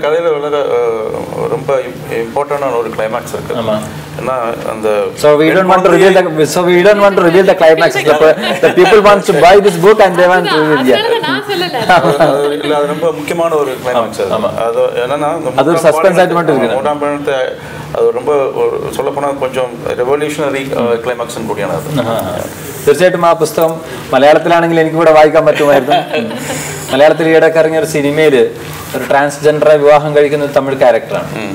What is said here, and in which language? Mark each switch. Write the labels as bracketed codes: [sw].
[ml] കഥയിൽ വളരെ [ta] ரொம்ப இம்பார்ட்டன்ட் ஆன ஒரு க்ளைமாக்ஸ் இருக்கு. ஆமா. [en] அந்த so we don't want to reveal the climax. The people want to buy this book and they want to read it. [ta] இல்ல, அது ரொம்ப முக்கியமான ஒரு க்ளைமாக்ஸ். ஆமா. அது என்னன்னா, அது ஒரு சஸ்பென்ஸ் ஆயிட்ட இருக்கு. மூணாம் பணத்தை அது ரொம்ப சொல்ல போனா கொஞ்சம் ரெவல்யூஷனரி க்ளைமாக்ஸ் கூடியான அது. [ml] തീർച്ചയായിട്ടും ആ പുസ്തകം മലയാളത്തിലാണെങ്കിൽ എനിക്ക് കൂടെ വായിക്കാൻ പറ്റുമായിരുന്നു. മലയാളത്തിൽ ഈയിടയ്ക്ക് ഇറങ്ങിയ ഒരു സിനിമയിൽ ഒരു ട്രാൻസ്ജെൻഡറെ വിവാഹം കഴിക്കുന്ന തമിഴ് ക്യാരക്ടറാണ്.